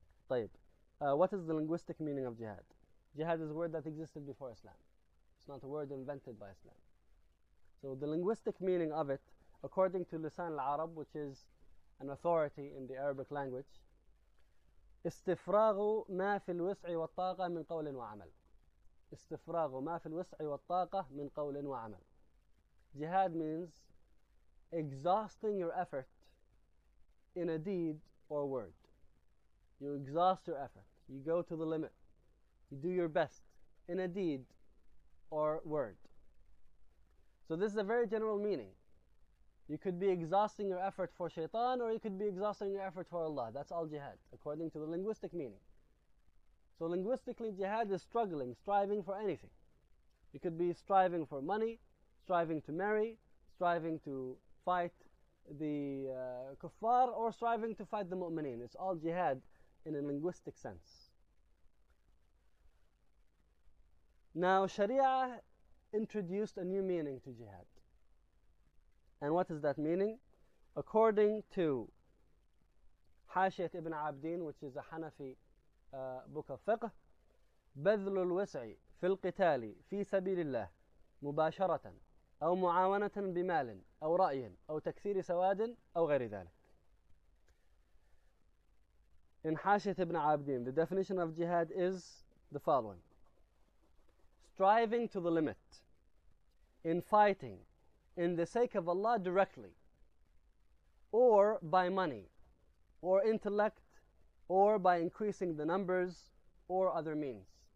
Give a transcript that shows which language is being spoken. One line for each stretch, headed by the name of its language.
Arabic: طيب,
English: what is the linguistic meaning of jihad? Jihad is a word that existed before Islam. It's not a word invented by Islam. So the linguistic meaning of it, according to Lisan al-Arab, which is an authority in the Arabic language,
Arabic: استفراغ ما في الوسع والطاقة من قول وعمل. استفراغ ما في الوسع والطاقة من قول وعمل.
English: Jihad means exhausting your effort in a deed or word. You exhaust your effort. You go to the limit. You do your best in a deed or word. So this is a very general meaning. You could be exhausting your effort for shaitan, or you could be exhausting your effort for Allah. That's all jihad, according to the linguistic meaning. So linguistically, jihad is struggling, striving for anything. You could be striving for money, striving to marry, striving to fight the kuffar, or striving to fight the mu'mineen. It's all jihad in a linguistic sense. Now, Sharia introduced a new meaning to jihad. And what is that meaning? According to Hashiyat ibn Abdin, which is a Hanafi book of fiqh,
Arabic: بذل الوسع في القتال في سبيل الله مباشرة أو معاونة بمال أو رأي أو تكثير سواد أو غير ذلك.
English: In Hashiyat ibn Abdin, the definition of jihad is the following. Striving to the limit in fighting in the sake of Allah directly, or by money, or intellect, or by increasing the numbers, or other means.